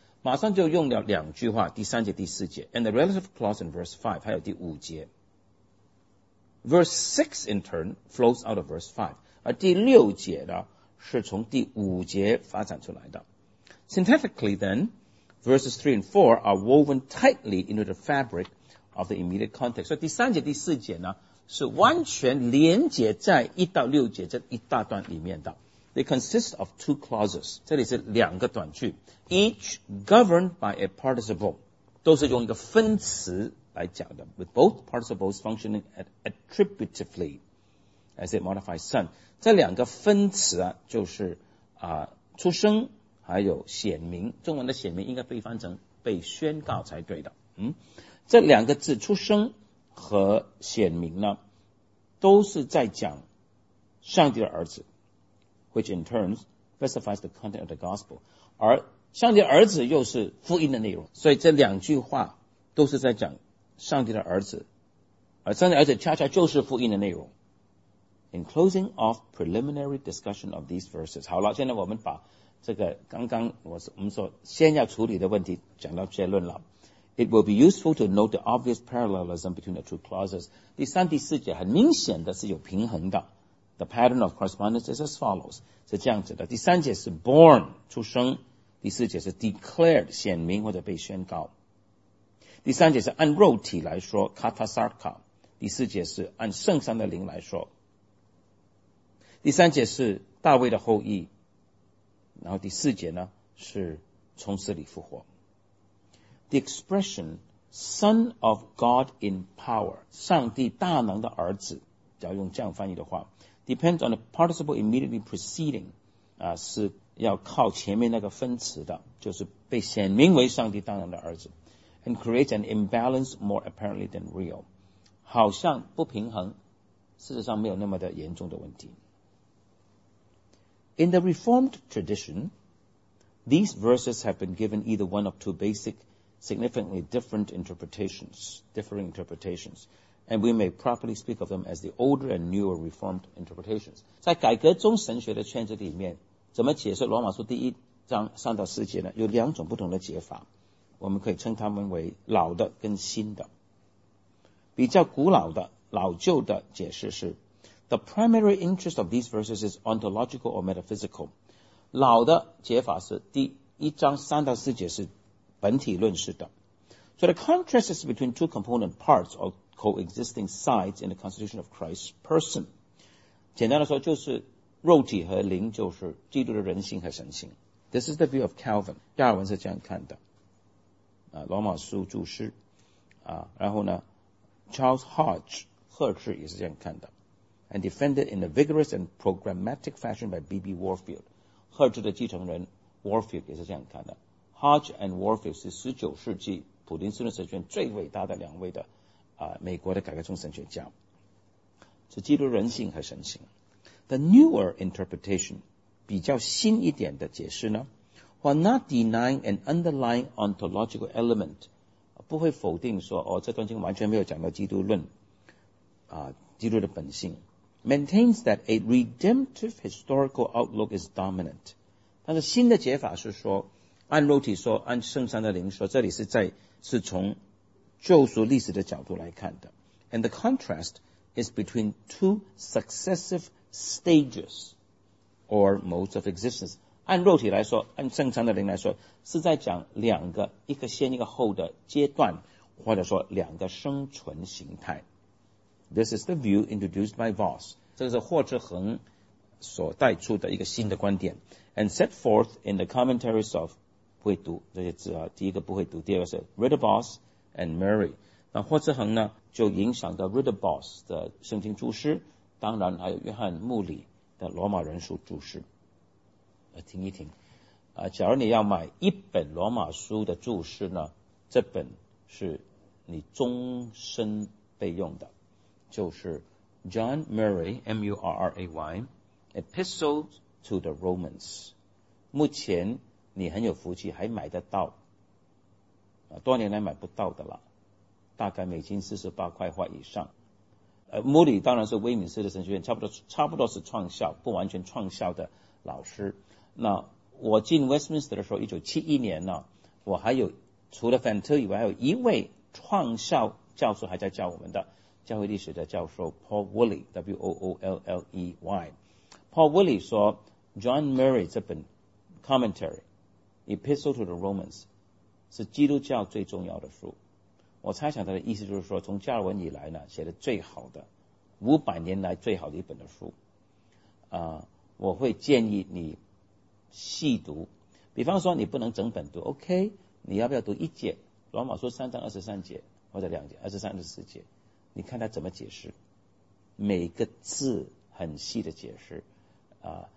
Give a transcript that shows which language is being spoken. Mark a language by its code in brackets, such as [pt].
[zh] 马上就用了两句话，第三节、第四节。 [en] And the relative clause in verse 5, [zh] 还有第五节。 [en] Verse 6 in turn flows out of verse 5. [zh] 而第六节呢，是从第五节发展出来的。 [en] Synthetically then, verses 3 and 4 are woven tightly into the fabric of the immediate context. [zh] 所以第三节、第四节呢，是完全连接在一到六节这一大段里面的。 [en] They consist of two clauses. [zh] 这里是两个短句。 [en] Each governed by a participle. [zh] 都是用一个分词来讲的。 [en] With both participles functioning attributively as it modifies son. [zh] 这两个分词啊，就是出生还有显明。中文的显明应该被翻成被宣告才对的。这两个字出生和显明呢，都是在讲上帝的儿子， [en] which in turn specifies the content of the gospel. [zh] 而上帝的儿子又是福音的内容，所以这两句话都是在讲上帝的儿子，而上帝的儿子恰恰就是福音的内容。 [en] In closing off preliminary discussion of these verses, [zh] 好了，现在我们把这个刚刚我们所先要处理的问题讲到结论了。 [en] It will be useful to note the obvious parallelism between the two clauses. [zh] 第三、第四节很明显的是有平衡的。 [en] The pattern of correspondence is as follows. [zh] 是这样子的。第三节是 born, 出生。第四节是 declared, 显明或者被宣告。第三节是按肉体来说 ,katasarka。第四节是按圣上的灵来说。第三节是大卫的后裔。然后第四节呢是从死里复活。 [en] The expression Son of God in power, [zh] 上帝大能的儿子，只要用这样翻译的话， [en] depends on the participle immediately preceding, [zh] 是要靠前面那个分词的，就是被显明为上帝大能的儿子， [en] and creates an imbalance more apparently than real. [zh] 好像不平衡，事实上没有那么的严重的问题。 [en] In the Reformed tradition, these verses have been given either one of two basic significantly different interpretations, differing interpretations, and we may properly speak of them as the older and newer reformed interpretations. [zh] 在改革中神学的圈子里面，怎么解释罗马书第一章三到四节呢？有两种不同的解法，我们可以称它们为老的跟新的。比较古老的、老旧的解释是 [en] ,the primary interest of these verses is ontological or metaphysical. [zh] 老的解法是第一章三到四节是本体论式的。 [en] So the contrast is between two component parts or coexisting sides in the constitution of Christ's person. [zh] 简单的说就是肉体和灵就是基督的人性和神性。 [en] This is the view of Calvin. [zh] 加尔文是这样看的。罗马书注释。然后呢 ,Charles Hodge, 赫治也是这样看的。 [en] And defended in a vigorous and programmatic fashion by B.B. Warfield. [zh] 赫治的继承人 Warfield 也是这样看的。Hodge and Warfield 是19世纪普林斯顿神学院最伟大的两位的美国的改革中神学家，是基督人性和神性。 [en] The newer interpretation, [zh] 比较新一点的解释呢， [en] while not denying an underlying ontological element, [zh] 不会否定说哦，这段经文完全没有讲到基督论基督的本性， [en] maintains that a redemptive historical outlook is dominant. [zh] 但是新的解法是说按肉体说，按圣上的灵说，这里是从救赎历史的角度来看的。 [en] And the contrast is between two successive stages. or modes of existence. [zh] 按肉体来说，按正常的灵来说，是在讲两个，一个先一个后的阶段，或者说两个生存形态。 [en] This is the view introduced by Voss. [zh] 这是霍志恒所带出的一个新的观点。 [en] And set forth in the commentaries of [zh] 不会读这些字啊，第一个不会读，第二个是 Ritterboss and Murray。那霍志恒呢，就影响到 Ritterboss 的圣经注释，当然还有约翰穆里的罗马人书注释。听一听，假如你要买一本罗马书的注释呢，这本是你终身备用的，就是 John Murray M-U-R-R-A-Y Epistle to the Romans。目前你很有福气还买得到，多年来买不到的了，大概美金48块以上。穆里当然是威敏斯的神学院，差不多是创校，不完全创校的老师。那我进 Westminster 的时候，1971年呢，我还有除了 Fantill 以外，还有一位创校教授还在教我们的教会历史的教授 Paul Woolley W-O-O-L-L-E-Y。 Paul Woolley 说 John Murray 这本 Commentary Epistle to the Romans 是基督教最重要的书。我猜想他的意思就是说，从加尔文以来呢，写的最好的500年来最好的一本的书。我会建议你细读，比方说你不能整本读 OK， 你要不要读一节罗马书3章23节或者2节23、24节，你看他怎么解释，每个字很细的解释啊。